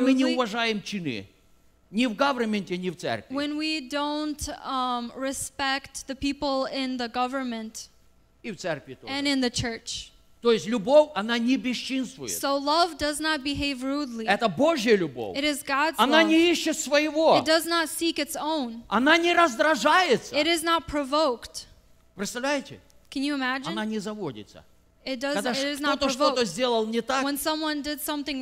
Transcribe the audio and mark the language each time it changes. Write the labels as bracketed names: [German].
[Russian] Когда мы не уважаем чины. Ни в government, ни в церкви. [English] When we don't respect the people in the government. And in the church. [Russian] То есть любовь, она не бесчинствует. [English] So love does not behave rudely. [Russian] Это Божья любовь. [English] It is God's [Russian] она [English] love. [Russian] Не ищет своего. [English] It does not seek its own. [Russian] Она не раздражается. [English] It is not provoked. [Russian] Представляете? [English] Can you imagine? [Russian] Она не заводится. [English] It does, [Russian] Когда [English] it is not provoked. [Russian] Что-то сделал не так, [English] when someone did something